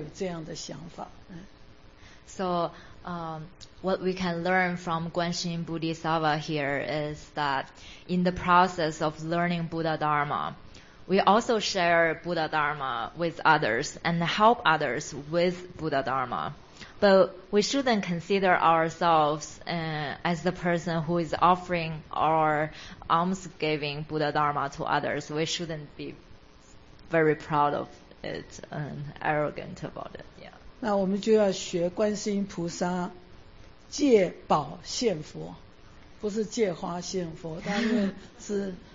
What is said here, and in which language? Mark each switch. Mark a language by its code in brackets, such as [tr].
[zh] 我们也要自己要把佛法分享给别人，但是你在分享的过程呢，你就不认为你自己是布施佛法人。我好了不起啊！我今天告诉你佛法，那就不会有，就不应该要有这样的想法。 [en] So, what we can learn from Guanxin Bodhisattva here is that in the process of learning Buddha Dharma, we also share Buddha Dharma with others and help others with Buddha Dharma. But we shouldn't consider ourselves as the person who is offering or almsgiving Buddha Dharma to others. We shouldn't be very proud of it and arrogant about it. Yeah. [zh] 那我们就要学观世音菩萨借宝献佛，不是借花献佛，但是是。